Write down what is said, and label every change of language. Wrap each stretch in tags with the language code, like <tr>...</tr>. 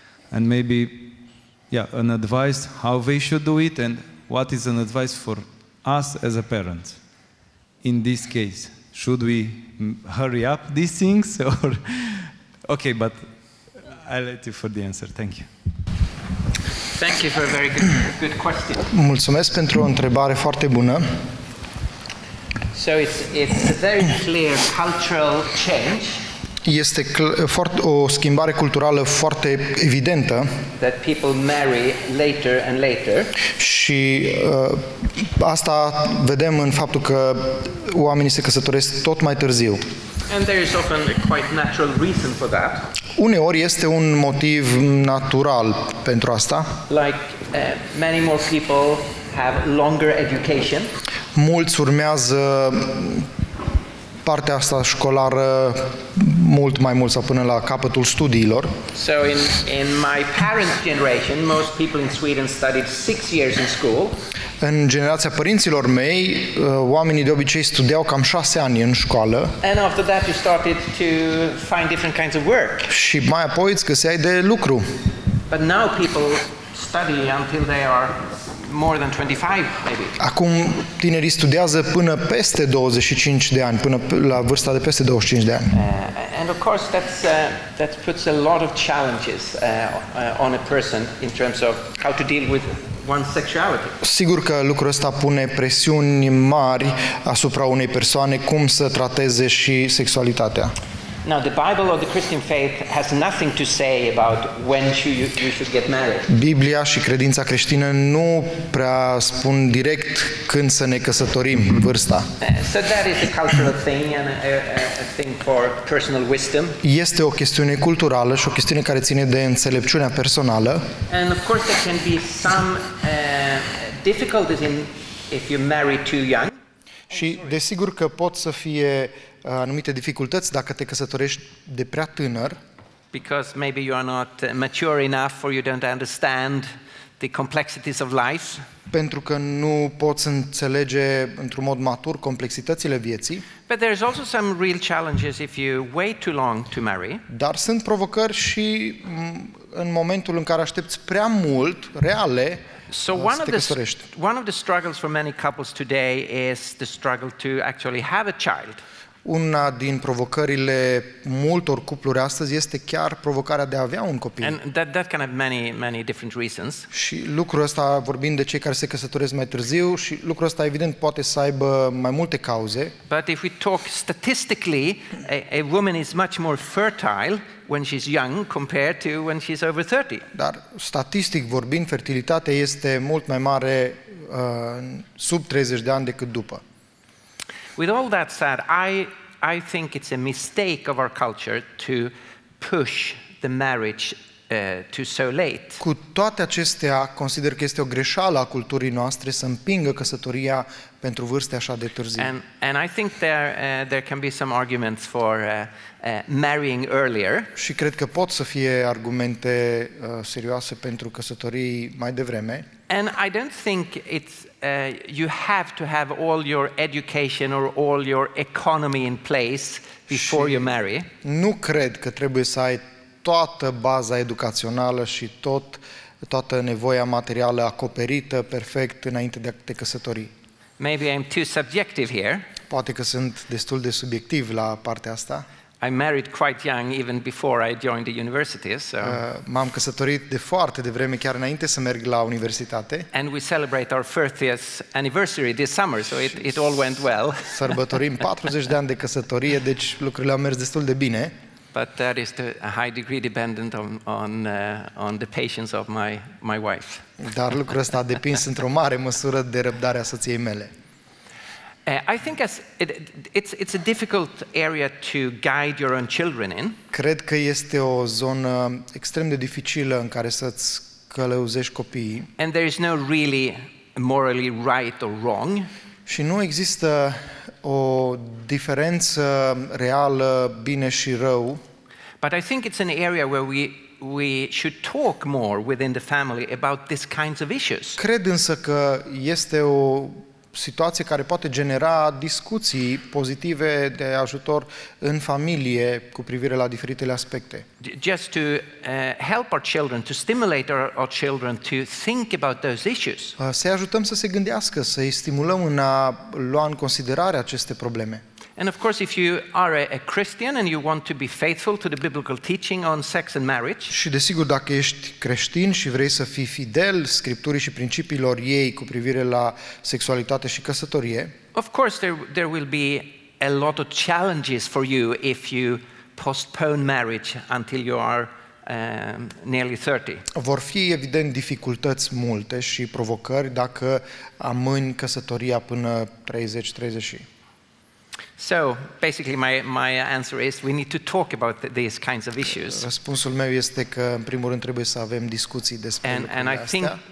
<en>And maybe, an advice how they should do it and what is an advice for us as a parent in this case. Should we hurry up these things or... Okay, but I'll let you for the answer. Thank you. Thank you for a very good question.</en> <ro>Mulțumesc pentru o întrebare foarte bună.</ro> <en>So it's a very clear cultural change.</en> <ro>Este foarte o schimbare culturală foarte evidentă.</ro> <en>That people marry later and later.</en> <ro>Și asta vedem în faptul că oamenii se căsătoresc tot mai târziu.</ro> <en>And there is often a quite natural reason for that.</en> <ro>Uneori este un motiv natural pentru asta.</ro> <en>Like many more people have longer education.</en> <ro>Mulți urmează partea asta școlară mult mai mult sau până la capătul studiilor.</ro> <en>So in my parents' generation, most people in Sweden studied 6 years in school.</en> <ro>În generația părinților mei, oamenii de obicei studiau cam 6 ani în școală.</ro> <en>And after that you started to find different kinds of work.</en> <ro>Și mai apoi îți găseai de lucru.</ro> <en>But now people study until they are more than 25 maybe.</en> <ro>Acum tinerii studiază până peste 25 de ani, până la vârsta de peste 25 de ani.</ro> <en>And of course that puts a lot of challenges on a person in terms of how to deal with one's sexuality.</en> <ro>Sigur că lucrul ăsta pune presiuni mari asupra unei persoane cum să trateze și sexualitatea.</ro> <en>Now the Bible or the Christian faith has nothing to say about when you should get married.</en> <ro>Biblia și credința creștină nu prea spun direct când să ne căsătorim, vârsta.</ro> <en>So that is a cultural thing and a thing for personal wisdom.</en> <ro>Este o chestiune culturală și o chestiune care ține de înțelepciunea personală.</ro> <en>And of course there can be some difficulties in if you marry too young.</en> <ro>Și desigur că pot să fie anumite dificultăți dacă te căsătorești de prea tânăr.</ro> <en>Because maybe you are not mature enough or you don't understand the complexities of life.</en> <ro>Pentru că nu poți înțelege într-un mod matur complexitățile vieții.</ro> <en>But there is also some real challenges if you wait too long to marry.</en> <ro>Dar sunt provocări și în momentul în care aștepți prea mult, reale.</ro> <en>So one of the struggles for many couples today is the struggle to actually have a child.</en> <ro>Una din provocările multor cupluri astăzi este chiar provocarea de a avea un copil.</ro> <en>And that can have many different reasons.</en> <ro>Și lucrul ăsta, vorbind de cei care se căsătoresc mai târziu, și lucrul ăsta evident poate să aibă mai multe cauze.</ro> <en>But if we talk statistically, a woman is much more fertile when she's young compared to when she's over 30.</en> <ro>Dar statistic vorbind, fertilitatea este mult mai mare sub 30 de ani decât după.</ro> <en>With all that said, I think it's a mistake of our culture to push the marriage to so late.</en> <ro>Cu toate acestea, consider că este o greșeală a culturii noastre să împingă căsătoria pentru vârste așa de târzii.</ro> <en>And I think there can be some arguments for marrying earlier.</en> <ro>Și cred că pot să fie argumente serioase pentru căsătorii mai devreme.</ro> <en>And I don't think you have to have all your education or all your economy in place before you marry.</en> <ro>Nu cred că trebuie să ai toată baza educațională și toată nevoia materială acoperită perfect înainte de a te căsători.</ro> <en>Maybe I'm too subjective here.</en> <ro>Poate că sunt destul de subiectiv la partea asta.</ro> <en>I married quite young even before I joined the university, so.</en> <ro>M-am căsătorit de foarte devreme, chiar înainte să merg la universitate.</ro> <en>And we celebrate our 40th anniversary this summer, so it all went well.</en> <ro>Sărbătorim 40 de ani de căsătorie, deci lucrurile au mers destul de bine.</ro> <en>But that is to a high degree dependent on the patience of my wife.</en> <ro>Dar lucrul ăsta a depins într-o mare măsură de răbdarea soției mele.</ro> <en>I think it's a difficult area to guide your own children in.</en> <ro>Cred că este o zonă extrem de dificilă în care să-ți călăuzești copiii.</ro> <en>And there is no really morally right or wrong.</en> <ro>Și nu există o diferență reală bine și rău.</ro> <en>But I think it's an area where we should talk more within the family about these kinds of issues.</en> <ro>Cred însă că este o situație care poate genera discuții pozitive de ajutor în familie cu privire la diferitele aspecte.</ro> <en>Just to help our children, to stimulate our children to think about those issues.</en> <ro>Să-i ajutăm să se gândească, să-i stimulăm în a lua în considerare aceste probleme.</ro> <en>And of course, if you are a Christian and you want to be faithful to the biblical teaching on sex and marriage.</en> <ro>Și desigur, dacă ești creștin și vrei să fii fidel scripturii și principiilor ei cu privire la sexualitate și căsătorie.</ro> <en>Of course, there will be a lot of challenges for you if you postpone marriage until you are nearly 30.</en> <ro>Vor fi evident dificultăți multe și provocări dacă amâni căsătoria până 30.</ro> <en>So basically my answer is we need to talk about these kinds of issues.</en> <ro>Răspunsul meu este că în primul rând trebuie să avem discuții despre lucrurile astea.</ro>